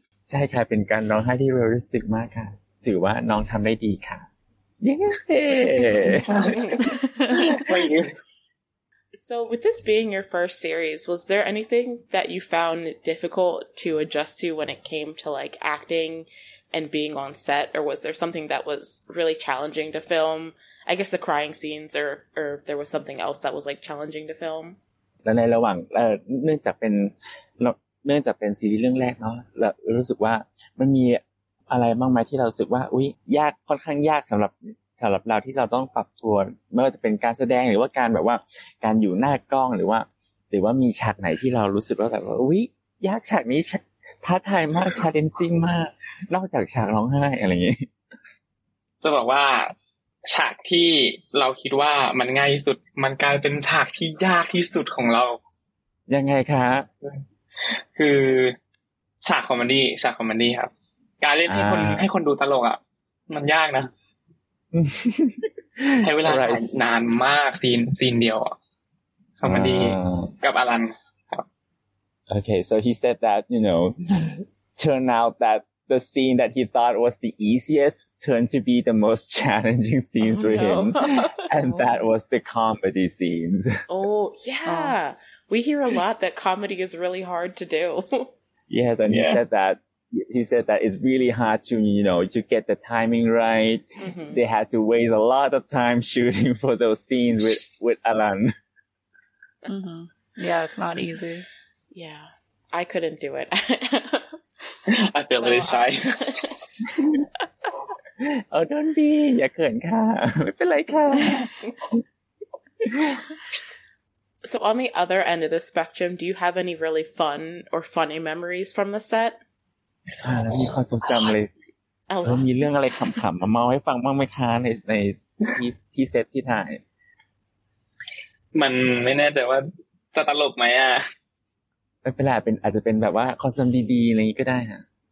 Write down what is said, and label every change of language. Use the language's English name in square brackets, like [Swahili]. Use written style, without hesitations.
[Thai] ใช่ค่ะเป็นการร้องไห้ที่ realistic มากค่ะถือว่าน้องทำได้ดีค่ะ [English] Yeah. So with this being your first series, was there anything that you found difficult to adjust to when it came to like acting and being on set? Or was there something that was really challenging to film? I guess the crying scenes or there was something else that was like challenging to film? [Thai] และในระหว่างเนื่องจากเป็นซีรีส์เรื่องแรกเนาะรู้สึกว่ามันมีอะไรบ้างไหมที่เราสึกว่าอุ้ยยากค่อนข้างยากสำหรับเราที่เราต้องปรับตัวไม่ว่าจะเป็นการแสดงหรือว่าการแบบว่าการอยู่หน้ากล้องหรือว่ามีฉากไหนที่เรารู้สึกว่าแบบอุ้ยยากฉากนี้ท้าทายมากชาเลนจิ้งมากนอกจากฉากร้องไห้อะไรอย่างนี้จะบอกว่าฉากที่เราคิดว่ามันง่ายที่สุดมันกลายเป็นฉากที่ยากที่สุดของเรายังไงคะ คือฉากคอมเมดี้ครับการเล่นให้คนดูตลกอ่ะมันยากนะ ใช้เวลา right. นานมากซีนเดียวคอมเมดี้กับอลันครับ [English] โอเค so he said that you know turn out that the scene that he thought was the easiest turned to be the most challenging scenes for him. And that was the comedy scenes. Oh, yeah. We hear a lot that comedy is really hard to do. Yes, and yeah. he said that it's really hard to, you know, to get the timing right. Mm-hmm. They had to waste a lot of time shooting for those scenes with Alan. Mm-hmm. Yeah, it's not easy. Yeah, I couldn't do it. I feel really shy. Oh, don't be. Ya keun ka. What the like? So on the other end of the spectrum, do you have any really fun or funny memories from the set? [Thai] มีความทรงจำเลยเออมีเรื่องอะไรขำๆมาเมาให้ฟังบ้างไหมคะในที่เซตที่ถ่าย มันไม่แน่ใจว่าจะตลกไหมอ่ะ ไม่เป็นไรเป็นอาจจะเป็นแบบว่าคอนเสิร์ตดีๆอะไรอย่างนี้ก็ได้ฮะ